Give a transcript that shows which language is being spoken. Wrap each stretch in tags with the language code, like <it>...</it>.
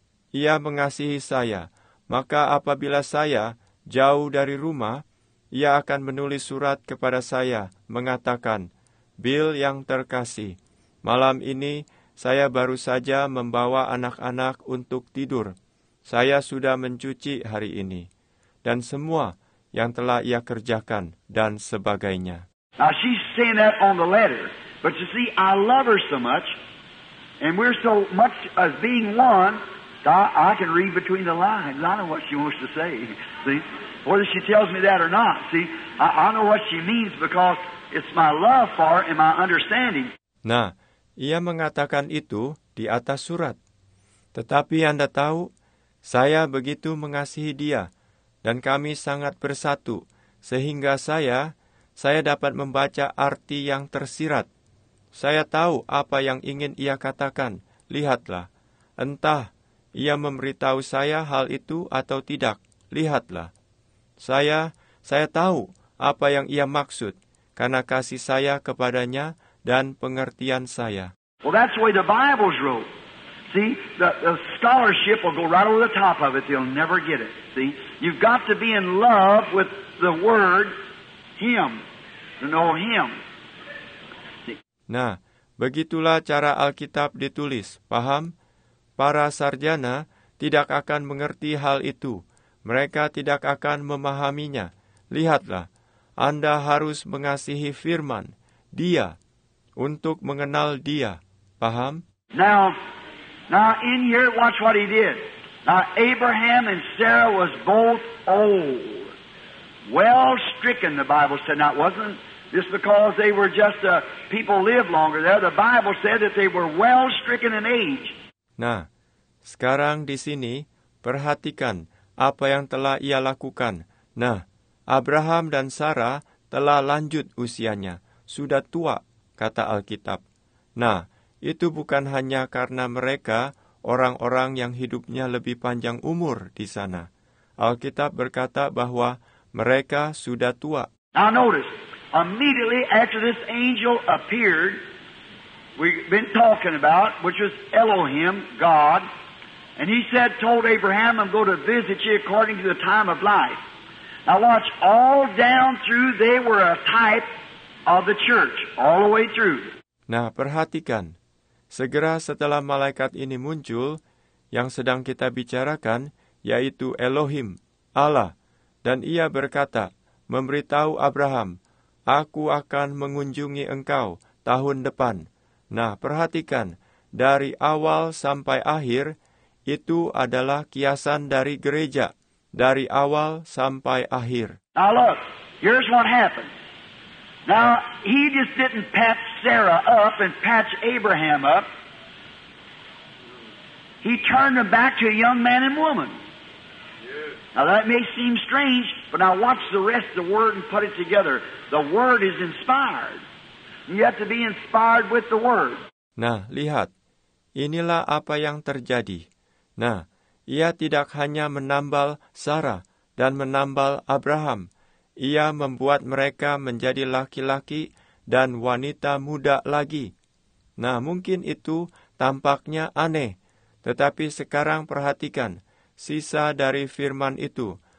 <id>Ia mengasihi saya, maka apabila saya jauh dari rumah, ia akan menulis surat kepada saya, mengatakan, Bill yang terkasih, malam ini saya baru saja membawa anak-anak untuk tidur. Saya sudah mencuci hari ini, dan semua yang telah ia kerjakan, dan sebagainya.</id> <en>Now she's saying that on the letter, but you see, I love her so much, and we're so much as being one, I can read between the lines. I know what she wants to say, see? Whether she tells me that or not, see? I know what she means because it's my love for her and my understanding.</en> <id>Nah, ia mengatakan itu di atas surat. Tetapi Anda tahu, saya begitu mengasihi dia, dan kami sangat bersatu, sehingga saya dapat membaca arti yang tersirat. Saya tahu apa yang ingin ia katakan. Lihatlah. Entah ia memberitahu saya hal itu atau tidak. Lihatlah. Saya tahu apa yang ia maksud karena kasih saya kepadanya dan pengertian saya.</id> <en>Well, that's the way the Bible's wrote. See, the scholarship will go right over the top of it. They'll never get it. See, you've got to be in love with the word Him, to know Him.</en> <id>Nah, begitulah cara Alkitab ditulis, paham? Para sarjana tidak akan mengerti hal itu. Mereka tidak akan memahaminya. Lihatlah, Anda harus mengasihi Firman, Dia, untuk mengenal Dia. Paham?</id> <en>Now in here, watch what he did. Now Abraham and Sarah was both old, well stricken, the Bible said. Now it wasn't just because they were just people lived longer there. The Bible said that they were well stricken in age.</en> <id>Nah, sekarang di sini, perhatikan apa yang telah ia lakukan. Nah, Abraham dan Sarah telah lanjut usianya, sudah tua, kata Alkitab. Nah, itu bukan hanya karena mereka orang-orang yang hidupnya lebih panjang umur di sana. Alkitab berkata bahwa mereka sudah tua.</id> <en>Now notice, immediately after this angel appeared, we've been talking about, which was Elohim, God, and he said, told Abraham, I'm going to visit you according to the time of life. Now watch, all down through, they were a type of the church, all the way through.</en> <id>Nah, perhatikan. Segera setelah malaikat ini muncul, yang sedang kita bicarakan, yaitu Elohim, Allah. Dan ia berkata, memberitahu Abraham, aku akan mengunjungi engkau tahun depan. Nah, perhatikan, dari awal sampai akhir, itu adalah kiasan dari gereja, dari awal sampai akhir.</id> <en>Now look, here's what happened. Now, he just didn't patch Sarah up and patch Abraham up. He turned them back to a young man and woman. Yes. Now, that may seem strange, but now watch the rest of the Word and put it together. The Word is inspired. You have to be inspired with the Word.</en> <id>Nah, lihat. Inilah apa yang terjadi. Nah, ia tidak hanya menambal Sarah dan menambal Abraham. Ia membuat mereka menjadi laki-laki dan wanita muda lagi. Nah, mungkin itu tampaknya aneh. Tetapi sekarang perhatikan sisa dari firman itu.</id>